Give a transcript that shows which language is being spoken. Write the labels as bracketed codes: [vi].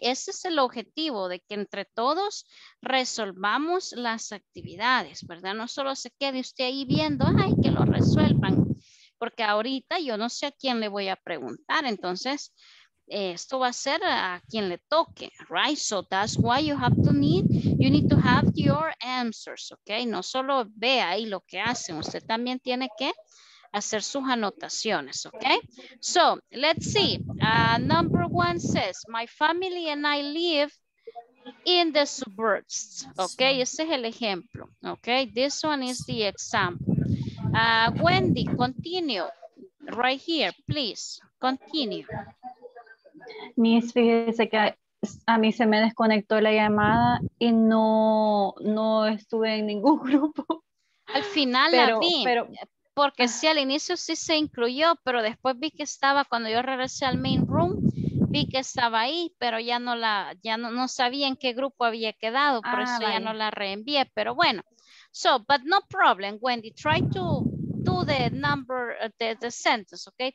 [es] Ese es el objetivo, de que entre todos resolvamos las actividades, ¿verdad? No solo se quede usted ahí viendo, ay, que lo resuelvan, porque ahorita yo no sé a quién le voy a preguntar, entonces, esto va a ser a quien le toque, right? [en] So that's why you need to have your answers, okay? [es] No solo ve ahí lo que hacen, usted también tiene que hacer sus anotaciones, okay? [en] So let's see. Number one says, my family and I live in the suburbs, okay? [es] Ese es el ejemplo, okay? [en] This one is the example. Wendy, continue right here, please, continue. [es] Miss, fíjese que a mí se me desconectó la llamada y no estuve en ningún grupo. Al final la vi, porque sí, al inicio sí se incluyó, pero después vi que estaba, cuando yo regresé al main room, vi que estaba ahí, pero ya no sabía en qué grupo había quedado, por eso vaya. Ya no la reenvié, pero bueno. [en] So, but no problem, Wendy, try to do the number, the sentence, ok?